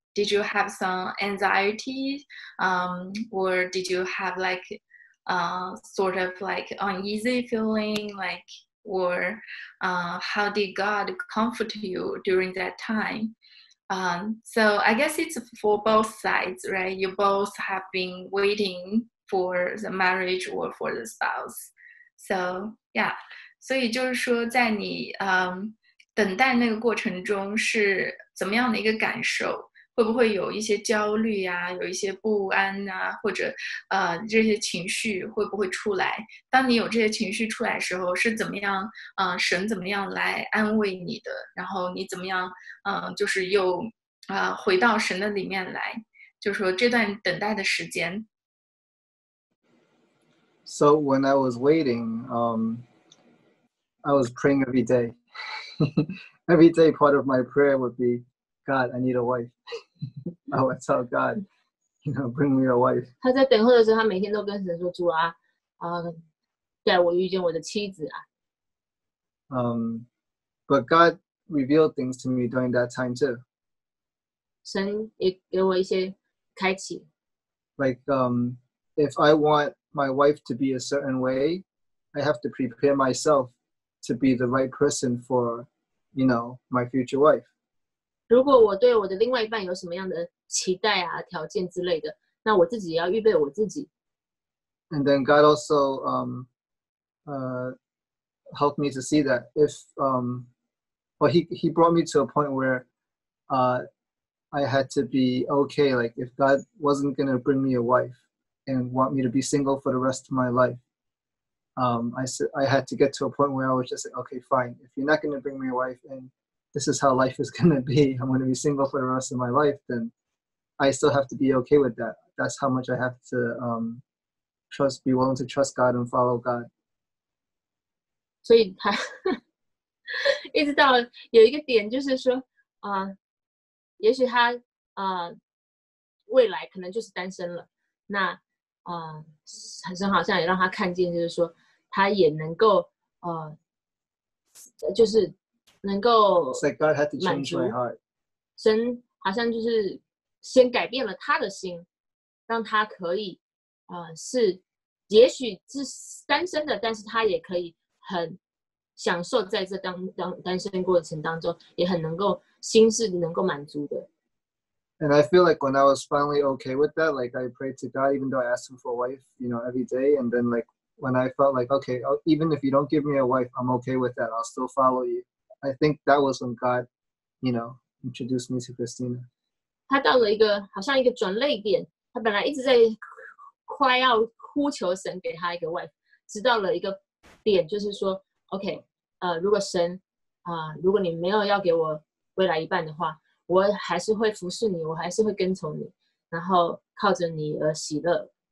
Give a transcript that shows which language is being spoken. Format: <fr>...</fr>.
<en>Did you have some anxiety, or did you have like sort of like uneasy feeling, like? Or how did God comfort you during that time? So I guess it's for both sides, right? You both have been waiting for the marriage or for the spouse. So yeah.</en> <zh>所以就是说在你等待那个过程中是怎么样的一个感受？会不会有一些焦虑啊，有一些不安啊，或者这些情绪会不会出来？当你有这些情绪出来的时候，是怎么样神怎么样来安慰你的？然后你怎么样就是又回到神的里面来？就是说这段等待的时间。</zh> <en>So when I was waiting, I was praying every day. Every day, part of my prayer would be. God, I need a wife. I would tell God, you know, bring me a wife.</en> <zh>他在等候的时候，他每天都跟神说：“主啊，带我遇见我的妻子啊。”</zh> <en>But God revealed things to me during that time too.</en> <zh>神也给我一些开启。</zh> <en>Like, if I want my wife to be a certain way, I have to prepare myself to be the right person for, you know, my future wife.</en> <zh>如果我对我的另外一半有什么样的期待啊、条件之类的，那我自己也要预备我自己。</zh> <en>And then God also helped me to see that if he brought me to a point where I had to be okay. Like if God wasn't gonna bring me a wife and want me to be single for the rest of my life, I had to get to a point where I was just like, okay, fine. If you're not going to bring me a wife and this is how life is going to be, I'm going to be single for the rest of my life, then I still have to be okay with that. That's how much I have to trust, be willing to trust God and follow God.</en> <zh>所以他一直到有一个点就是说也许他未来可能就是单身了，那神好像也让他看见，就是说他也能够就是能够满足。神好像就是先改变了他的心，让他可以是也许是单身的，但是他也可以很享受在这单身过程当中，也很能够心是能够满足的。</zh> <en>And I feel like when I was finally okay with that, like I prayed to God, even though I asked him for a wife, you know, every day. And then like when I felt like, okay, even if you don't give me a wife, I'm okay with that. I'll still follow you. I think that was when God, you know, introduced me to Christina.</en> <zh>他到了一个好像一个转捩点，他本来一直在快要呼求神给他一个 wife， 直到了一个点，就是说 ，okay， 如果神如果你没有要给我未来一半的话。我还是会服侍你，我还是会跟从你，然后靠着你而喜乐。</zh>